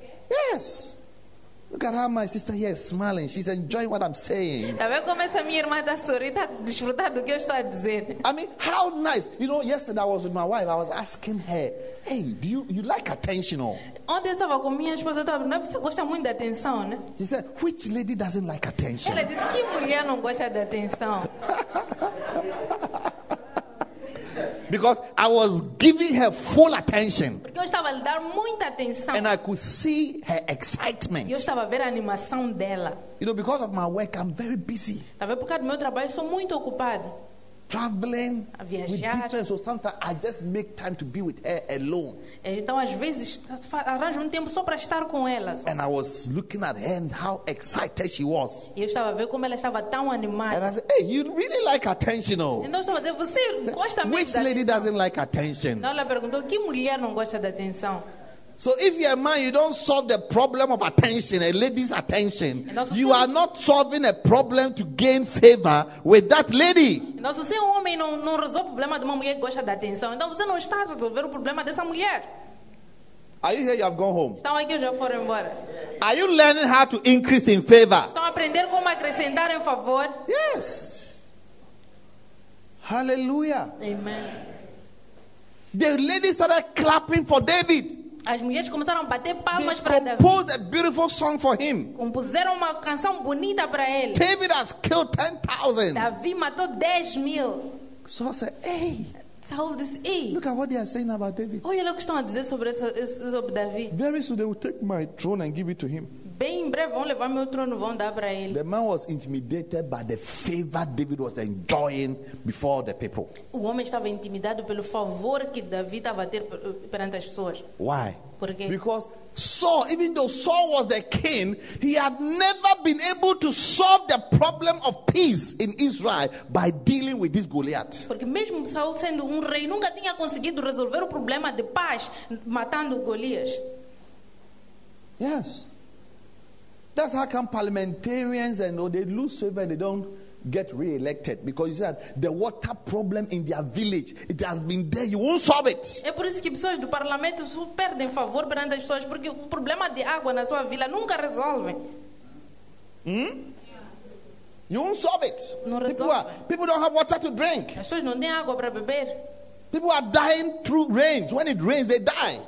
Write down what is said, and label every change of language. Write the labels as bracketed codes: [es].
[en] Yes. Look at how my sister here is smiling. She's enjoying what I'm saying. [pt] Tá vendo como essa minha irmã está sorrindo, está desfrutando do que eu estou a dizer. [en] I mean, how nice. You know, yesterday I was with my wife. I was asking her, hey, do you like attention? [pt] Ontem eu estava com minha esposa, eu estava, você gosta muito da atenção, né? [en] She said, which lady doesn't like attention? [pt] Ela disse, que mulher não gosta da atenção? [en] Because I was giving her full attention. [pt] Porque eu estava a lhe dar muita atenção. [en] And I could see her excitement. [pt] Eu estava a ver a animação dela. [en] You know, because of my work, I'm very busy. [pt] Talvez por causa do meu trabalho, eu sou muito ocupado. [en] traveling, [pt] a viajar, [en] with distance, or sometimes I just make time to be with her alone. [pt] Então às vezes arranjo tempo só para estar com ela. [en] And I was looking at her and how excited she was. [pt] Eu estava a ver como ela estava tão animada. [en] And I said, "Hey, you really like attention, oh?" [pt] Então estava a dizer, você gosta mesmo? [en] Which lady doesn't like attention? [pt] Então ela perguntou, que mulher não gosta da atenção? [en] So if you're a man, you don't solve the problem of attention, a lady's attention. You are not solving a problem to gain favor with that lady. [pt] Então se você é homem, não resolve o problema de uma mulher que gosta da atenção. Então você não está a resolver o problema dessa mulher. [en] Are you here? You have gone home. [pt] Estão aqui, já foram embora. [en] Are you learning how to increase in favor? [pt] Estão aprendendo como acrescentar em favor? [en] Yes. Hallelujah. Amen. The lady started clapping for David. [pt] As mulheres começaram a bater palmas para David. [en] Composed a beautiful song for him. [pt] Compuseram uma canção bonita para ele. [en] David has killed 10,000. [pt] Davi matou 10,000. [en] Saul said, "Hey." [pt] Saul disse, "Hey." [en] Look at what they are saying about David. [pt] Olha o que estão a dizer sobre Davi. [en] Very soon they will take my throne and give it to him. [pt] Bem em breve vão levar meu trono, vão dar para ele. [en] The man was intimidated by the favor David was enjoying before the people. [pt] O homem estava intimidado pelo favor que Davi estava a ter perante as pessoas. [en] Why? [pt] Por quê? [en] Because Saul, even though Saul was the king, he had never been able to solve the problem of peace in Israel by dealing with this Goliath. [pt] Porque mesmo Saul sendo rei, nunca tinha conseguido resolver o problema de paz matando Golias. [en] Yes. That's how come parliamentarians and they lose favor and they don't get re-elected. Because you see that the water problem in their village, it has been there, you won't solve it. [pt] É por isso que pessoas do parlamento perdem favor perante as pessoas, porque o problema de água na sua vila nunca resolve. [en] You won't solve it. [pt] Não resolve. [en] People don't have water to drink. [pt] As pessoas não têm água para beber. [en] People are dying through rains. When it rains, they die.